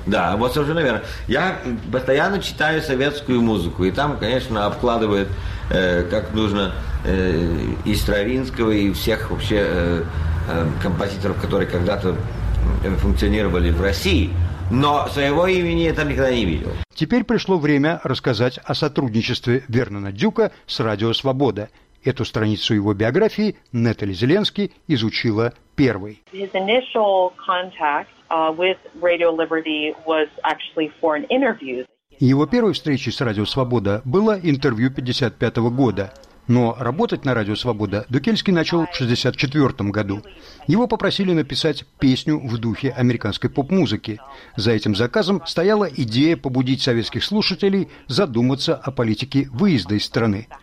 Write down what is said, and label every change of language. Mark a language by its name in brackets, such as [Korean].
[Russian] Да, вот совершенно верно. Я постоянно читаю советскую музыку, и там, конечно, обкладывают, как нужно, и Стравинского, и всех вообще композиторов, которые когда-то функционировали в России. Но своего имени я там никогда не видел. Теперь пришло время рассказать о сотрудничестве Вернона Дюка с «Радио Свобода». Эту страницу его биографии Нетали Зеленски изучила первой. [English] His initial contact with Radio Liberty was actually for an interview. [Russian] Его первой встречи с Радио Свобода было интервью 55 года. Но работать на Радио Свобода Дукельский начал в 64 году. Его попросили написать песню в духе американской поп-музыки. За этим заказом стояла идея побудить советских слушателей задуматься о политике выезда из страны.